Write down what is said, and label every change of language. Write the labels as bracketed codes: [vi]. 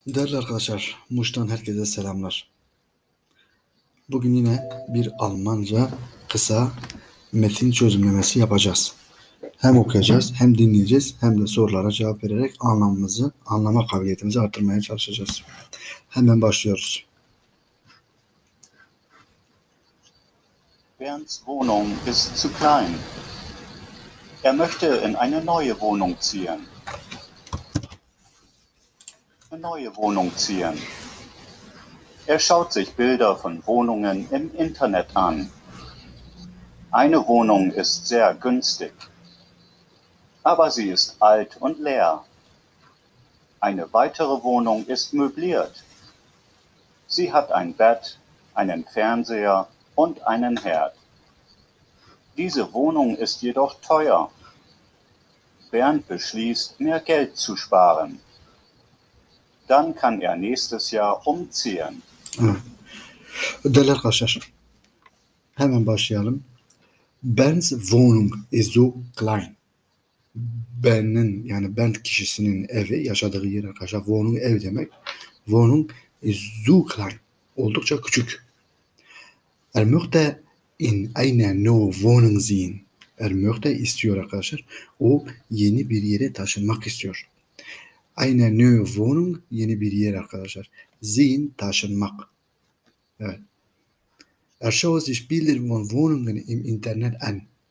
[tr] Değerli arkadaşlar, Muş'tan herkese selamlar. Bugün yine bir Almanca kısa metin çözümlemesi yapacağız. Hem okuyacağız, hem dinleyeceğiz, hem de sorulara cevap vererek anlamımızı, anlama kabiliyetimizi artırmaya çalışacağız. Hemen başlıyoruz. [de] Bernds Wohnung ist zu klein. Möchte in eine neue Wohnung ziehen. Eine neue Wohnung ziehen. Schaut sich Bilder von Wohnungen im Internet an. Eine Wohnung ist sehr günstig. Aber sie ist alt und leer. Eine weitere Wohnung ist möbliert. Sie hat ein Bett, einen Fernseher und einen Herd. Diese Wohnung ist jedoch teuer. Bernd beschließt, mehr Geld zu sparen. Dann kann nächstes Jahr umziehen. [tr] Değerli arkadaşlar, hemen başlayalım. [de] Bernd's Wohnung ist so klein. [tr] Bernd'in, yani Bernd kişisinin evi, yaşadığı yer arkadaşlar, Wohnung ev demek. [de] Wohnung ist so klein. [tr] Oldukça küçük. [de] Möchte in eine neue Wohnung ziehen. [tr] Möchte istiyor arkadaşlar. O yeni bir yere taşınmak istiyor. [de] Eine neue Wohnung, [tr] yeni bir yer arkadaşlar. Ziehen, taşınmak. Evet. [de] Schaut sich Bilder von Wohnungen im Internet an.